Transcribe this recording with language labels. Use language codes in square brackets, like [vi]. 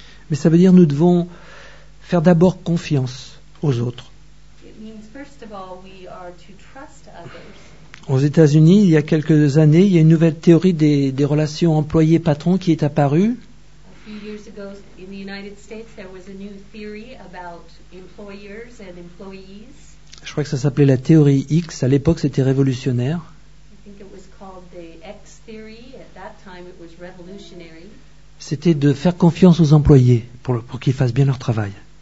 [fr] Mais ça veut dire que nous devons faire d'abord confiance aux autres. [en] It means first of all we are to trust others. [fr] Aux États-Unis, il y a quelques années, il y a une nouvelle théorie des relations employés-patrons qui est apparue. [en] A few years ago, in the United States, there was a new theory about employers and employees. [fr] Je crois que ça s'appelait la théorie X. À l'époque, c'était révolutionnaire. [en] I think it was called the X theory. At that time, it was revolutionary. [fr] C'était de faire confiance aux employés pour qu'ils fassent bien leur travail.